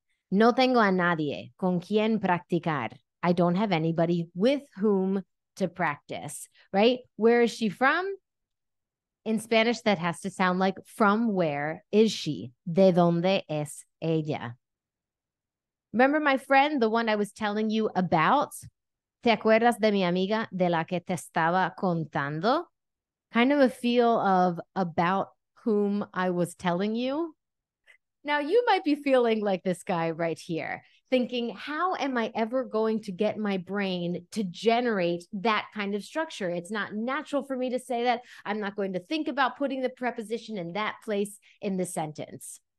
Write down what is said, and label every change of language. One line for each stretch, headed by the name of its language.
Spanish: No tengo a nadie con quien practicar.
English: I don't have anybody with whom to practice, right? Where is she from? In Spanish, that has to sound like, from where is she?
Spanish: ¿De dónde es ella?
English: Remember my friend, the one I was telling you about?
Spanish: ¿Te acuerdas de mi amiga de la que te estaba contando?
English: Kind of a feel of about whom I was telling you. Now, you might be feeling like this guy right here, thinking, how am I ever going to get my brain to generate that kind of structure? It's not natural for me to say that. I'm not going to think about putting the preposition in that place in the sentence.